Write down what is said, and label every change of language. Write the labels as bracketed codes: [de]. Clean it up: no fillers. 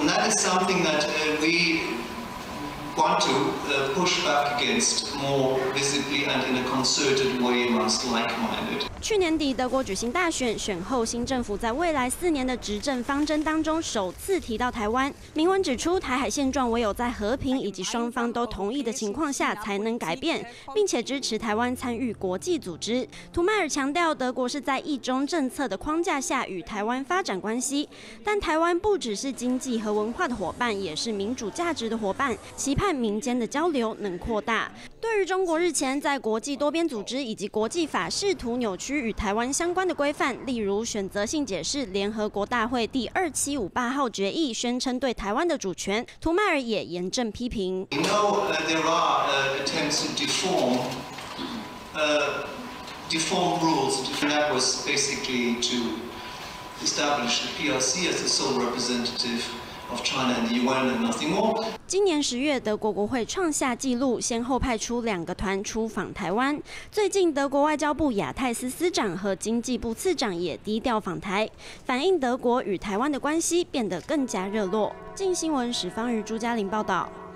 [en] And that is something that we want to push back against more visibly and in a concerted way amongst like-minded. [zh] 去年底德国举行大选，选后新政府在未来4年的执政方针当中首次提到台湾，明文指出台海现状唯有在和平以及双方都同意的情况下才能改变，并且支持台湾参与国际组织。图迈尔强调，德国是在一中政策的框架下与台湾发展关系，但台湾不只是经济和文化的伙伴，也是民主价值的伙伴，期盼民间的交流能扩大。对于中国日前在国际多边组织以及国际法试图扭曲与台湾相关的规范，例如选择性解释联合国大会第2758号决议，宣称对台湾的主权，图迈尔也严正批评。 [en] We know there are attempts to deform, deform rules. That was basically to establish the PRC as the sole representative. Of China and the UN and nothing more. [zh] 今年10月，德国国会创下纪录，先后派出2个团出访台湾。最近，德国外交部亚太司司长和经济部次长也低调访台，反映德国与台湾的关系变得更加热络。镜新闻史方瑜、朱嘉玲报道。